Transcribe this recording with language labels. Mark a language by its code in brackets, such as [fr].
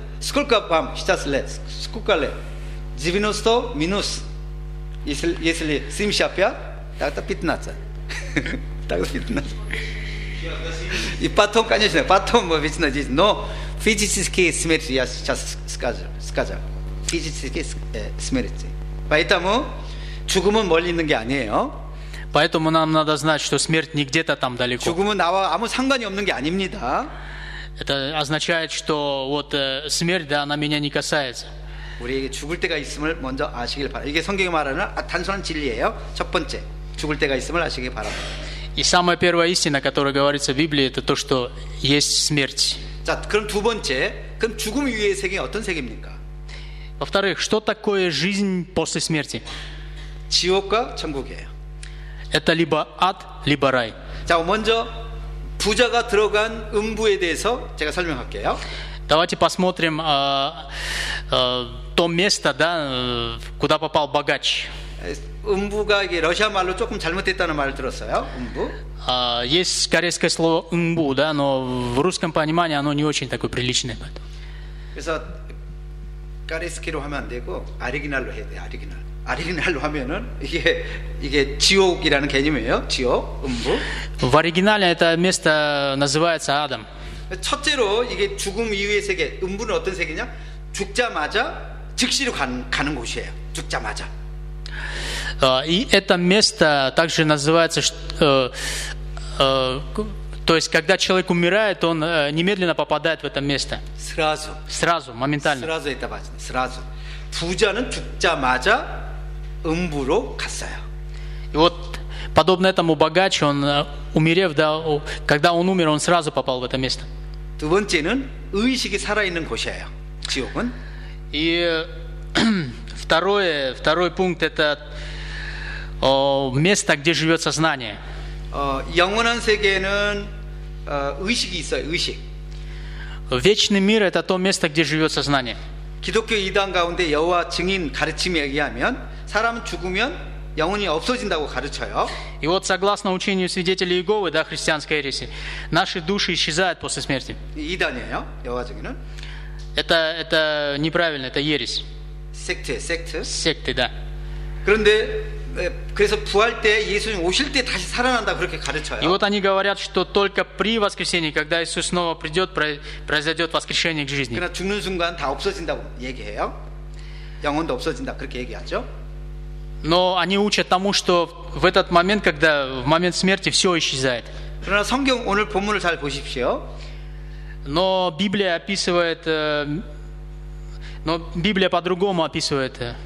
[ru] Сколько вам сейчас лет? Сколько лет? 90 минус. Если 75, тогда 15. Тогда 15. И потом, конечно, потом мы вечно здесь. Но физические смерти я сейчас скажу. Физические смерти. Поэтому [ko] 죽음은 멀리 있는 게 아니에요. [ru] Поэтому нам надо знать, что смерть не где-то там далеко. [ko] 죽음은 나와 아무 상관이 없는 게 아닙니다. [ru] Это означает, что вот смерть, да, она меня не касается. [ko] 우리에게 죽을 때가 있음을 먼저 아시길 바라. 이게 성경이 말하는 단순한 진리예요. 첫 번째, 죽을 때가 있음을 아시길 바라. [ru] И самая первая истина, которая говорится в Библии, это то, что есть смерть. [ko] 자, 그럼 두 번째, 그럼 죽음 위의 세계 어떤 세계입니까? [ru] Во-вторых, что такое жизнь после смерти? [ko] 지옥과 천국이에요. [ru] Это либо ад, либо рай. [ko] 자, 먼저 부자가 들어간 음부에 대해서 제가 설명할게요. [ru] Давайте посмотрим то место, да, куда попал богач. [ko] 음부가 이게 러시아 말로 조금 잘못됐다는 말을 들었어요. 음부. [ru] Есть корейское слово 음부, да, но в русском понимании оно не очень такое приличное. [ko] 그래서 корейский로 하면 안 되고 오리지널로 해야 돼. 오리지널. 오리지널로 하면은 이게 지옥이라는 개념이에요. 지옥, 음부. [ru] В оригинале это место называется Адам. [ko] 첫째로 이게 죽음 이후의 세계. 음부는 어떤 세계냐? 죽자마자 즉시로 가는 곳이에요. 죽자마자. [ru] И это место также называется, то есть когда человек умирает, он немедленно попадает в это место. Сразу. Сразу, моментально. Сразу это важно. Сразу. [ko] 부자는 죽자마자 음부로 갔어요. [ru] И вот подобно этому богач, он умерев, да, когда он умер, он сразу попал в это место. [ko] 두 번째는 의식이 살아있는 곳이에요. 지옥은. [ru] И второй пункт это место, где живет сознание. [ko] 영원한 세계는 의식이 있어요. 의식. [ru] Вечный мир это то место, где живет сознание. [ko] 기독교 이단 가운데 여호와 증인 가르침에 의하면 사람 죽으면 영혼이 없어진다고 가르쳐요. [ru] И вот согласно учению свидетелей Иеговы, да, христианской ереси, наши души исчезают после смерти. [ko] 이단이에요, 여호와 증인은? [ru] Это неправильно, это ересь. Секты, да. [ko] 그런데 그래서 부활 때 예수님 오실 때 다시 살아난다 그렇게 가르쳐요. [ru] И вот они говорят, что только при воскресении, когда Иисус снова придёт, произойдёт воскрешение к жизни. [ko] 그러나 죽는 순간 다 없어진다고 얘기해요. 영혼도 없어진다 그렇게 얘기하죠. [ru] Но они учат тому, что в этот момент, когда в момент смерти всё исчезает. [ko] 그러나 성경 오늘 본문을 잘 보십시오. [ru] Но Библия описывает но Библия по-другому описывает.